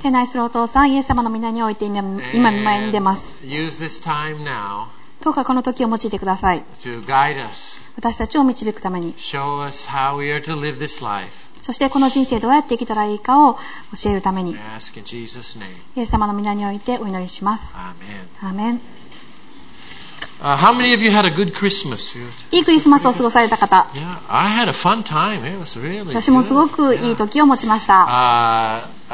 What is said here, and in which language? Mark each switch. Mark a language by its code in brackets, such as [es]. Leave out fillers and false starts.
[ja] 天内するお父さん、イエス様の御名において今見舞いに出ます。 [en] Use this time now. [ja] どうかこの時を用いてください。 [en] To guide us. [ja] 私たちを導くために。 [en] Show us how we are to live this life. [ja] そしてこの人生どうやって生きたらいいかを教えるためにイエス様の御名においてお祈りします。アーメン。 [en] How many of you had a good Christmas? [ja] いいクリスマスを過ごされた方。 [en] Yeah, I had a fun time. It was really good. [ja] 私もすごくいい時を持ちました。